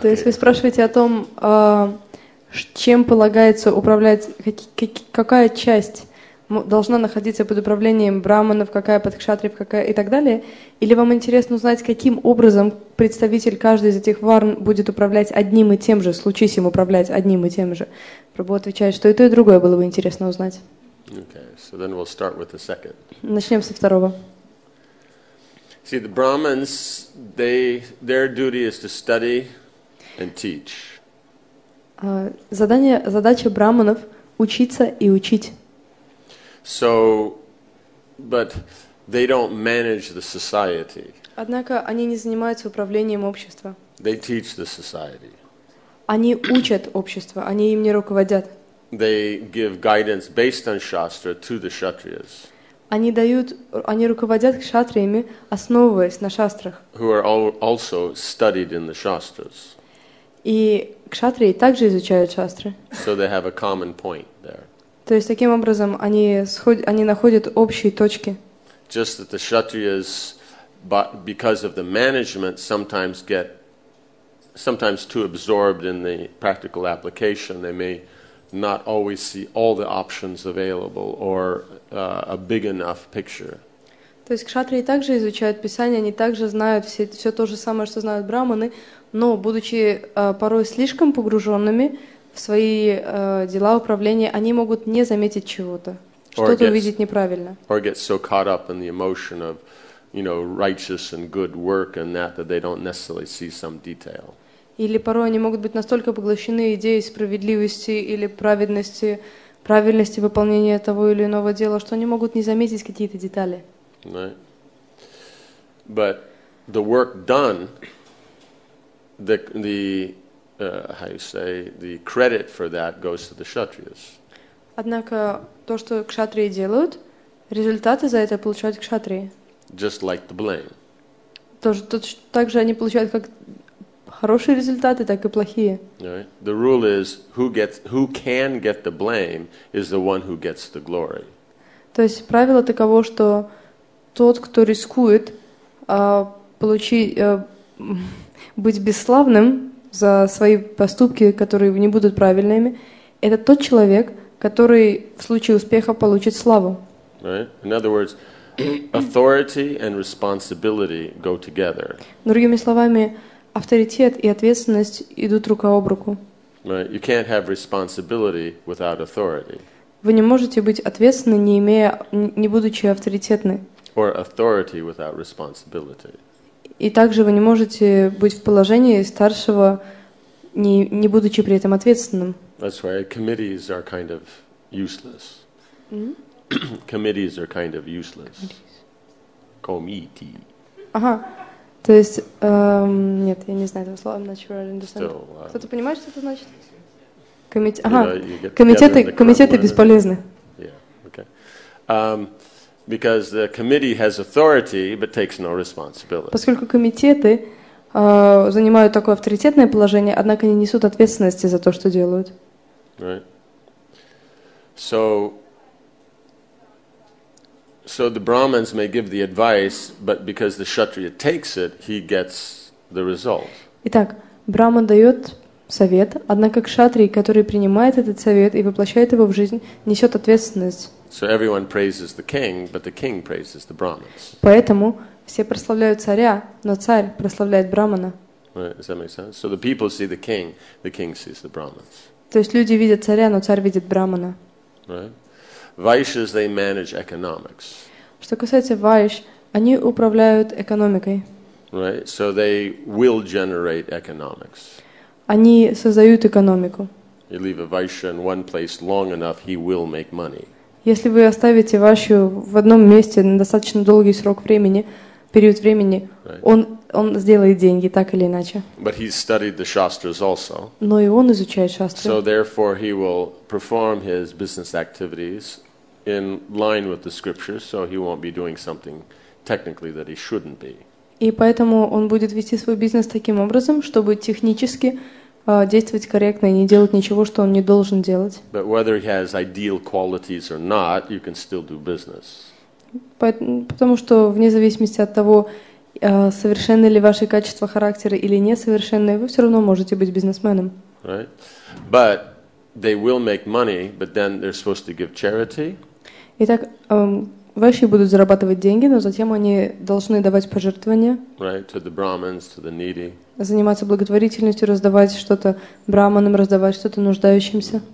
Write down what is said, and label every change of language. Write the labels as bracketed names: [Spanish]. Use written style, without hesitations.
[Russian] То есть вы спрашиваете о том, чем полагается управлять, какая часть должна находиться под управлением брахманов, какая под кшатриев, какая и так далее? Или вам интересно узнать, каким образом представитель каждой из этих варн будет управлять одним и тем же, случись им управлять одним и тем же? Прабху отвечает, что и то, и другое было бы интересно узнать. [English] Okay. So then we'll start with the second. [Russian] Начнем со второго. [English] See, the Brahmins, their duty is to study and teach. [Russian] Задача брахманов – учиться и учить. [English] So, but they don't manage the society. [Russian] Однако они не занимаются управлением общества. [English] They teach the society. [Russian] Они учат общество, они им не руководят. [English] They give guidance based on Shastra to the Kshatriyas. [Russian] Они руководят кшатриями, основываясь на шастрах. [English] Who are also studied in the shastras. [Russian] И кшатрии также изучают шастры. [English] So they have a common point there. [Russian] То есть таким образом они находят общие точки. [English] Just that the kshatriyas but because of the management, sometimes get sometimes too absorbed in the practical application. They may not always see all the options available or a big enough picture. [Russian] То есть кшатрии также изучают писание, они также знают все, все то же самое, что знают браманы, но будучи порой слишком погруженными в свои дела управления, они могут не заметить чего-то, что-то увидеть неправильно. [English] Or get so caught up in the emotion of, you know, righteous and good work and that, that they don't necessarily see some detail. [Russian] Или порой они могут быть настолько поглощены идеей справедливости или праведности, правильности выполнения того или иного дела, что они могут не заметить какие-то детали. [English] Right. But the work done, the credit for that goes to the kshatriyas. [Russian] Однако то, что кшатрии делают, результаты за это получают кшатрии. [English] Just like the blame. [Russian] Тоже также они получают как хорошие результаты, так и плохие. [English] Right. The rule is who can get the blame is the one who gets the glory. [Russian] То есть правило таково, что тот, кто рискует быть бесславным за свои поступки, которые не будут правильными, это тот человек, который в случае успеха получит славу. [English] Right. In other words, authority and responsibility go together. [Russian] Другими словами, авторитет и ответственность идут рука об руку. [English] Right. You can't have responsibility without authority. [Russian] Вы не можете быть ответственны, не будучи авторитетны. [English] Or authority without responsibility. [Russian] И также вы не можете быть в положении старшего, не будучи при этом ответственным. [English] That's why committees are kind of useless. Mm-hmm. Committees are kind of useless. Committee. [Russian] Ага. То есть, нет, я не знаю этого слова, [English] I'm not sure I understand. Still, [Russian] кто-то понимает, что это значит? Комитеты бесполезны. [English] Yeah, okay. Because the committee has authority, but takes no responsibility. [Russian] Поскольку комитеты занимают такое авторитетное положение, однако не несут ответственности за то, что делают. [English] Right. So the Brahmins may give the advice, but because the Kshatriya takes it, he gets the result. [Russian] Итак, Брахман дает совет, однако Кшатрий, который принимает этот совет и воплощает его в жизнь, несет ответственность. [English] So everyone praises the king, but the king praises the Brahmins. [Russian] Поэтому все прославляют царя, но царь прославляет Брахмана. [English] Right, does that make sense? So the people see the king sees the Brahmins. [Russian] То есть люди видят царя, но царь видит Брахмана. [English] Right. Vaishyas, they manage economics. [Russian] Что касается вайш, они управляют экономикой. [English] Right. So they will generate economics. [Russian] Они создают экономику. [English] You leave a vaishya in one place long enough, he will make money. [Russian] Если вы оставите вашу в одном месте на достаточно долгий срок времени, период времени, [English] right. [Russian] он сделает деньги, так или иначе. [English] But he studied the shastras also. [Russian] Но и он изучает шастры. [English] So therefore he will perform his business activities in line with the scriptures, so he won't be doing something technically that he shouldn't be. [Russian] И поэтому он будет вести свой бизнес таким образом, чтобы технически действовать корректно и не делать ничего, что он не должен делать. [English] But whether he has ideal qualities or not, you can still do business. [Russian] Потому что вне зависимости от того, совершенны ли ваши качества характера или несовершенные, вы все равно можете быть бизнесменом. [English] Right. But they will make money, but then they're supposed to give charity. [Russian] Итак, ваши будут зарабатывать деньги, но затем они должны давать пожертвования. [English] Right, to the Brahmins, to the needy. [Russian] Заниматься благотворительностью, раздавать что-то браманам, раздавать что-то нуждающимся.